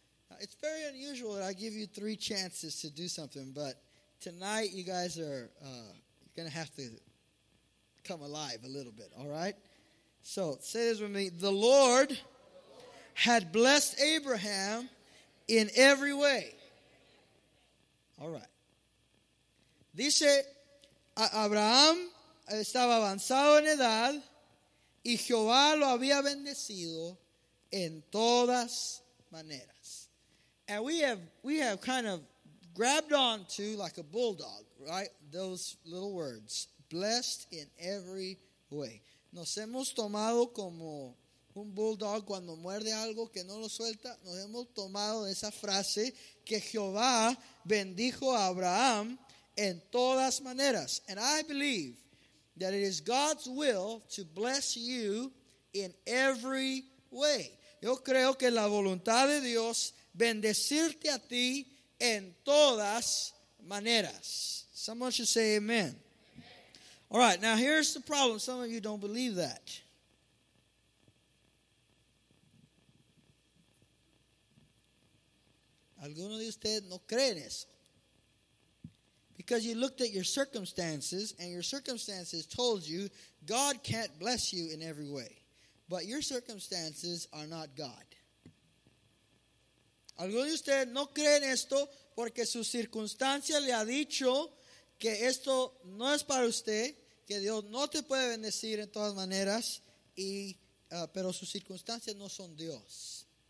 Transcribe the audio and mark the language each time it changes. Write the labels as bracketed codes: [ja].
[en] Now, it's very unusual that I give you three chances to do something, but tonight you guys are you're going to have to come alive a little bit, all right? So say this with me. The Lord had blessed Abraham in every way. All right. [es] Dice, Abraham estaba avanzado en edad y Jehová lo había bendecido en todas maneras. [en] And we have kind of grabbed on to, like a bulldog, right? Those little words, blessed in every way. [es] Nos hemos tomado como un bulldog cuando muerde algo que no lo suelta. Nos hemos tomado esa frase que Jehová bendijo a Abraham en todas maneras. [en] And I believe that it is God's will to bless you in every way. [es] Yo creo que la voluntad de Dios bendecirte a ti en todas maneras. [en] Someone should say amen. Amen. All right, now here's the problem. Some of you don't believe that. [es] Algunos de ustedes no creen eso. [en] Because you looked at your circumstances, and your circumstances told you God can't bless you in every way. But your circumstances are not God. [es] Algunos de ustedes no creen esto porque su circunstancia le ha dicho que esto no es para usted, que Dios no te puede bendecir en todas maneras, pero sus circunstancias no son Dios.